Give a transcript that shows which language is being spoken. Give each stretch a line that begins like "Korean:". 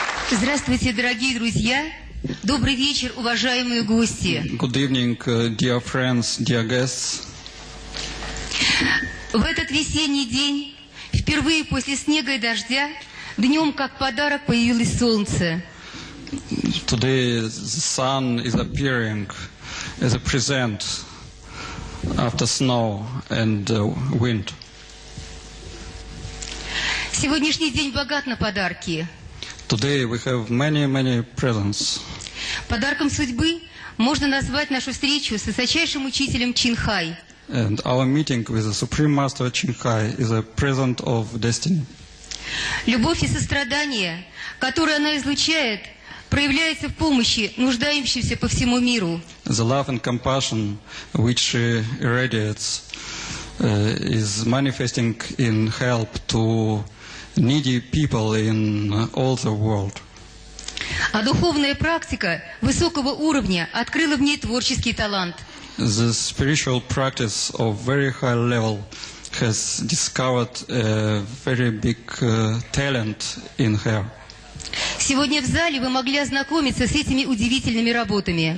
Russian: Здравствуйте, дорогие друзья! Добрый вечер, уважаемые гости!
English: Good evening, dear friends, dear guests!
Russian: В этот весенний день, впервые после снега и дождя, днем как подарок появилось солнце.
English: Today the sun is appearing as a present after snow and wind.
Russian: Сегодняшний день богат на подарки.
English: Today we have many presents.
Russian: Подарком судьбы можно назвать нашу встречу с высочайшим учителем Чинхай.
English: And our meeting with the Supreme Master Чинхай is a present of destiny.
Russian: Любовь и сострадание, которое она излучает, проявляется в помощи нуждающимся по всему миру.
English: The love and compassion which she radiates is manifesting in help to needy people in all the world.
Russian: А духовная практика высокого уровня открыла в ней творческий талант.
English: The spiritual practice of very high level has discovered a very big talent in her.
Russian: Сегодня в зале вы могли ознакомиться с этими удивительными работами.